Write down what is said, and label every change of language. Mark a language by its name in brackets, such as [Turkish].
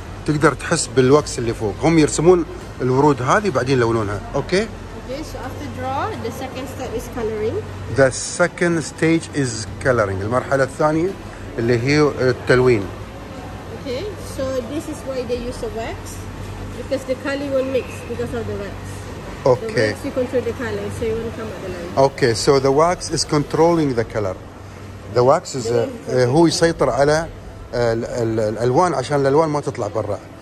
[Arabic] تقدر تحس بالوكس اللي فوق، هم يرسمون الورود هذه بعدين يلونونها. اوكي [English] so after draw the second step is coloring. The second stage is coloring. [Arabic] المرحلة الثانية اللي هي التلوين. [English] Okay, so this is why they use the wax, because the color will mix because of the wax. Okay. The wax you control the color, so you won't come out the line. Okay, so the wax is controlling the color. The wax is [Arabic] هو يسيطر على الالوان عشان الالوان ما تطلع برا.